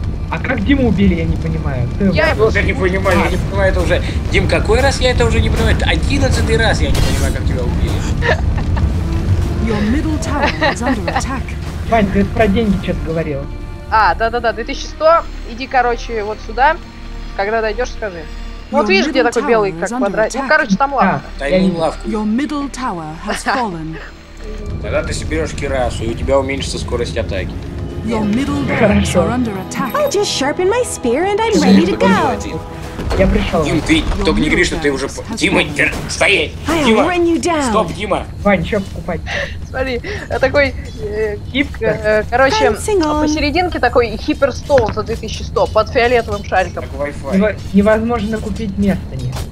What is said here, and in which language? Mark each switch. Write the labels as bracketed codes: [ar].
[ru] А как Диму убили, я не понимаю. Я не понимаю это уже. Дим, какой раз я это уже не понимаю? 11-й раз я не понимаю, как тебя убили. [en] Your middle tower is under attack. [ru] Вань, ты про деньги что-то говорил. А, да-да-да, 2100. Иди, короче, вот сюда. Когда дойдешь, скажи. Ну, вот видишь, где такой белый, как квадрат. Ну, короче, там лавка. Тайную лавку. [en] Your middle tower has fallen. [ru] Тогда ты соберешь кирасу, и у тебя уменьшится скорость атаки. [en] Your middle barracks are under attack. I'll just sharpen my spear and I'm ready to go. [ru] Я пришел. Дим, ты только не говори, что ты уже... Дима, стоять! Дима! Стоп, Дима! Вань, что покупать? Смотри, такой хип... короче, посерединке такой хиперстоун за 2100 под фиолетовым шариком. Как Wi-Fi. Невозможно купить, места нет.